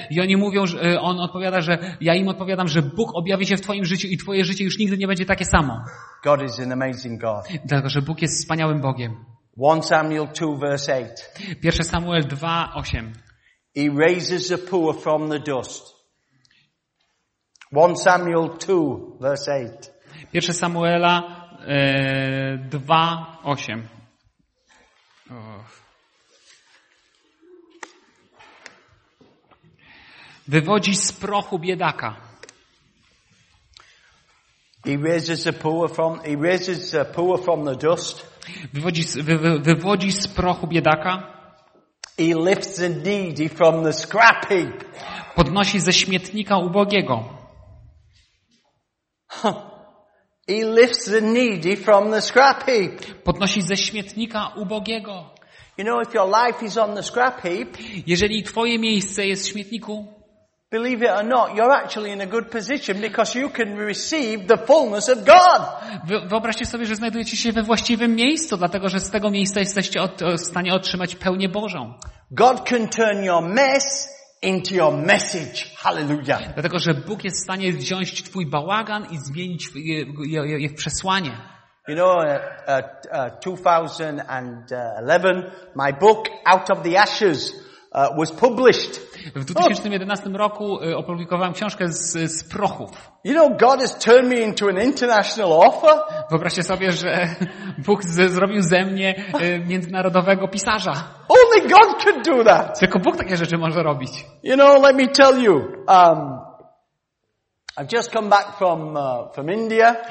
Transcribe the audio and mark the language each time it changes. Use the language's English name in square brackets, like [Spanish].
[Polish] I oni mówią, że on odpowiada, że ja im odpowiadam, że Bóg objawi się w twoim życiu i twoje życie już nigdy nie będzie takie samo. [English] God is an amazing God. [Polish] Dlatego, że Bóg jest wspaniałym Bogiem. [English] 1 Samuel 2:8. 1 Samuel 2:8. He raises the poor from the dust. 1 Samuel 2, verse 8. [Polish] 1 Samuela 2, 8. Wywodzi z prochu biedaka. [English] He raises the poor from the dust. [Polish] Wywodzi z prochu biedaka. [English] He lifts the needy from the scrap heap. [Polish] Podnosi ze śmietnika ubogiego. [English] He lifts the needy from the scrap heap. [Polish] Podnosi ze śmietnika ubogiego. [English] You know, if your life is on the scrap heap, [Polish] jeżeli twoje miejsce jest w śmietniku, [English] believe it or not, you're actually in a good position because you can receive the fullness of God. [Polish] Wyobraźcie sobie, że znajdujecie się we właściwym miejscu, dlatego że z tego miejsca jesteście w stanie otrzymać pełnię Bożą. [English] God can turn your mess into your message. Hallelujah. [Polish] Dlatego że Bóg jest w stanie wziąć twój bałagan i zmienić je w przesłanie. [English] You know, 2011, my book Out of the Ashes was published. [Polish] W 2011 roku opublikowałem książkę z prochów. [English] You know, God has turned me into an international author. [Polish] Wyobraźcie sobie, że Bóg zrobił ze mnie międzynarodowego pisarza. [English] Only God can do that. [Polish] Tylko Bóg takie rzeczy może robić. [English] You know, let me tell you. I've just come back from India.